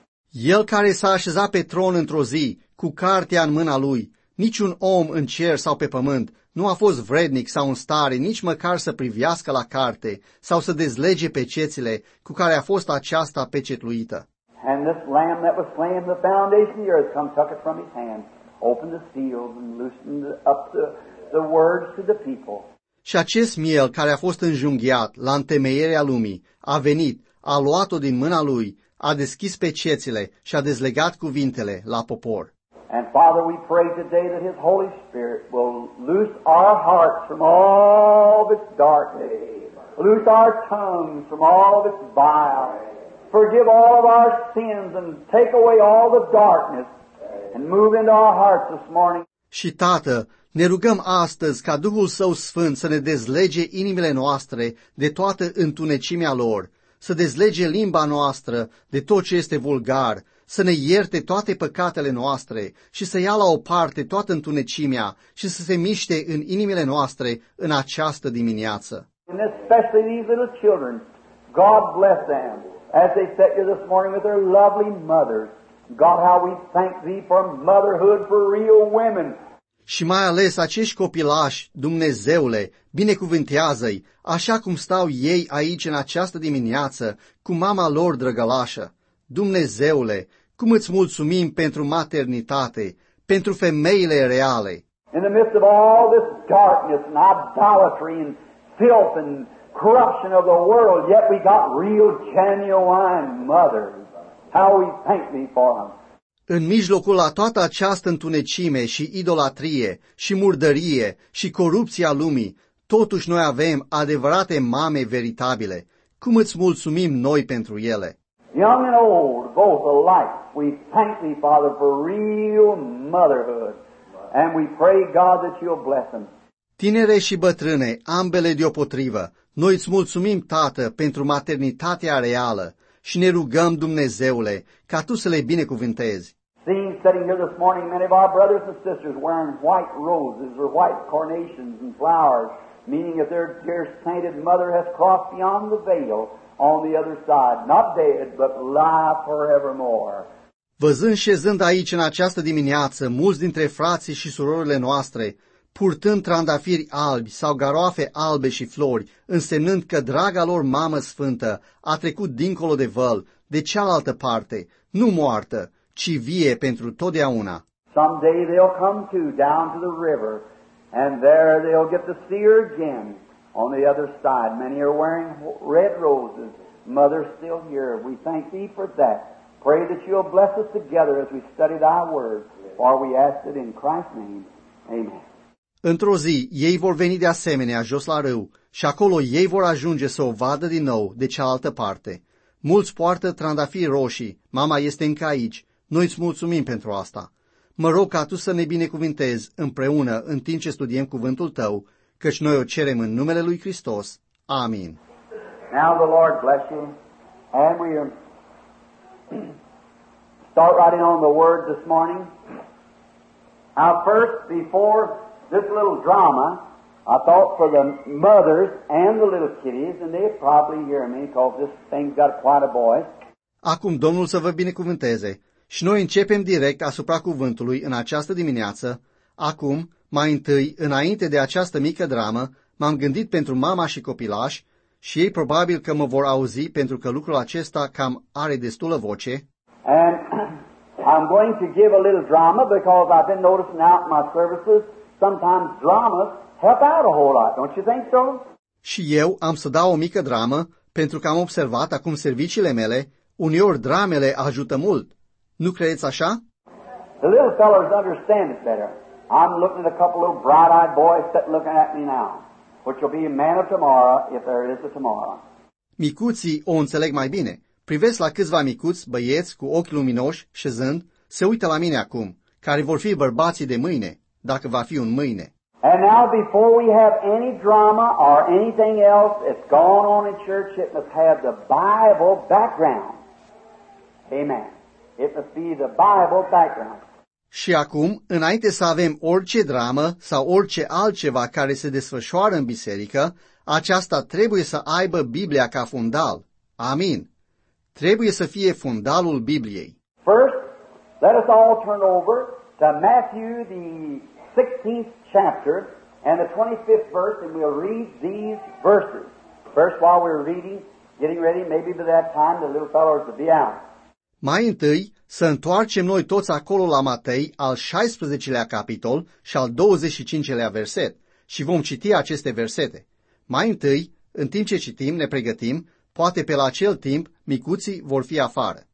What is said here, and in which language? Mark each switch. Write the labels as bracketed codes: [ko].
[ro] El care s-a așezat pe tron într-o zi, cu cartea în mâna lui, niciun om în cer sau pe pământ nu a fost vrednic sau în stare nici măcar să privească la carte sau să dezlege pecețile cu care a fost aceasta pecetluită. [en] And this lamb that was slain in the foundation of the earth come took it from his hand, opened the seals and loosened up the words to the people. [ro] Și acest miel care a fost înjunghiat la întemeierea lumii a venit, a luat-o din mâna lui, a deschis pecețile și a dezlegat cuvintele la popor. [en] And Father, we pray today that His Holy Spirit will loose our hearts from all of its darkness, loose our tongues from all of its vile, forgive all of our sins and take away all the darkness and move into our hearts this morning. [ro] Și Tată, ne rugăm astăzi ca Duhul Său Sfânt să ne dezlege inimile noastre de toată întunecimea lor, să dezlege limba noastră de tot ce este vulgar, să ne ierte toate păcatele noastre și să ia la o parte toată întunecimea și să se miște în inimile noastre în această dimineață. [en] And especially these little children, God bless them as they sit here this morning with their lovely mothers. God, how we thank thee for motherhood for real women. [ro] Și mai ales acești copilași, Dumnezeule, binecuvântează-i, așa cum stau ei aici în această dimineață cu mama lor drăgălașă. Dumnezeule, cum îți mulțumim pentru maternitate, pentru femeile reale. [en] In the midst of all this darkness and idolatry and filth and corruption of the world, yet we got real genuine mothers. How we thank thee for them. [ro] În mijlocul la toată această întunecime și idolatrie și murdărie și corupția lumii, totuși noi avem adevărate mame veritabile. Cum îți mulțumim noi pentru ele? [en] Young and old, both alike, we thank thee, Father, for real motherhood, and we pray, God, that you'll bless them. [ro] Tinere și bătrâne, ambele deopotrivă, noi îți mulțumim, Tată, pentru maternitatea reală, și ne rugăm, Dumnezeule, ca Tu să le binecuvântezi. [en] Seeing sitting here this morning many of our brothers and sisters wearing white roses or white carnations and flowers, meaning that their dear sainted mother has crossed beyond the veil on the other side, not dead, but alive forevermore. [ro] Văzând șezând aici în această dimineață mulți dintre frații și surorile noastre, purtând trandafiri albi sau garoafe albe și flori, însemnând că draga lor mamă sfântă a trecut dincolo de văl, de cealaltă parte, nu moartă, ci vie pentru totdeauna. [en] Someday they'll come to down to the river, and there they'll get to see her again on the other side. Many are wearing red roses. Mother's still here. We thank thee for that. Pray that you'll bless us together as we study thy word, for we ask it in Christ's name. Amen. [ro] Într-o zi, ei vor veni de asemenea jos la râu și acolo ei vor ajunge să o vadă din nou de cealaltă parte. Mulți poartă trandafiri roșii, mama este încă aici, noi îți mulțumim pentru asta. Mă rog ca tu să ne binecuvintezi împreună în timp ce studiem cuvântul tău, căci noi o cerem în numele lui Hristos. Amin. [en] Now the Lord bless you, and we start writing on the word this morning. Now first, before this little drama, I thought for the mothers and the little kiddies, and they probably hear me because this thing's got quite a voice. [ro] Acum Domnul să vă binecuvânteze. Și noi începem direct asupra cuvântului în această dimineață. Acum, mai întâi, înainte de această mică dramă, m-am gândit pentru mama și copilași și ei probabil că mă vor auzi pentru că lucrul acesta cam are destulă voce. [en] And I'm going to give a little drama because I've been noticing out in my services sometimes dramas help out a whole lot, don't you think so? [ro] Și eu am să dau o mică dramă pentru că am observat acum serviciile mele, uneori dramele ajută mult. Nu credeți așa? [en] The little fellows understand it better. I'm looking at a couple of bright-eyed boys that looking at me now, which will be a man of tomorrow if there is a tomorrow. [ro] Micuții o înțeleg mai bine. Privesc la câțiva micuți, băieți cu ochi luminoși, șezând, se uită la mine acum, care vor fi bărbații de mâine, dacă va fi un mâine. [en] And now before we have any drama or anything else that's gone on in church, it must have the Bible background. Amen. It must be the Bible background. [ro] Și acum, înainte să avem orice dramă sau orice altceva care se desfășoară în biserică, aceasta trebuie să aibă Biblia ca fundal. Amin. Trebuie să fie fundalul Bibliei. [en] First, let us all turn over to Matthew, the 16th chapter, and the 25th verse, and we'll read these verses. First, while we're reading, getting ready, maybe by that time the little fellows will be out. [ro] Mai întâi, să întoarcem noi toți acolo la Matei, al 16-lea capitol și al 25-lea verset, și vom citi aceste versete. Mai întâi, în timp ce citim, ne pregătim, poate pe la acel timp, micuții vor fi afară.